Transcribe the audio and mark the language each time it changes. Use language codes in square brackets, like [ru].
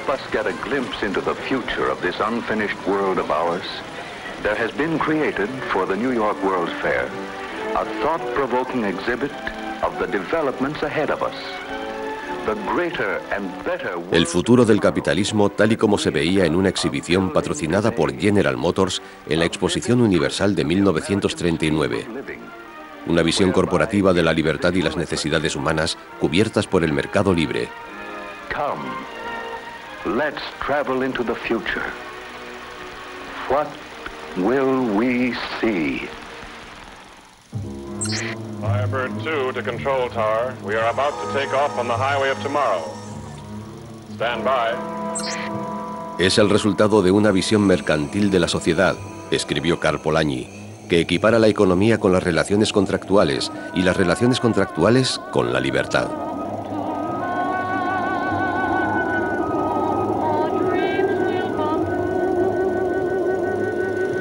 [en] Get a glimpse into the future of this unfinished world of ours, there has been created for the New York World's Fair a thought-provoking exhibit of the developments ahead of us. The greater and better world. [es] El futuro del capitalismo tal y como se veía en una exhibición patrocinada por General Motors en la Exposición Universal de 1939. Una visión corporativa de la libertad y las necesidades humanas cubiertas por el mercado libre. [en] Come. Let's travel into the future. What will we see? Firebird 2 to Control Tower. We are about to take off on the highway of tomorrow. Stand by. [es] Es el resultado de una visión mercantil de la sociedad, escribió Carl Polanyi, que equipara la economía con las relaciones contractuales y las relaciones contractuales con la libertad. [en] Thank you.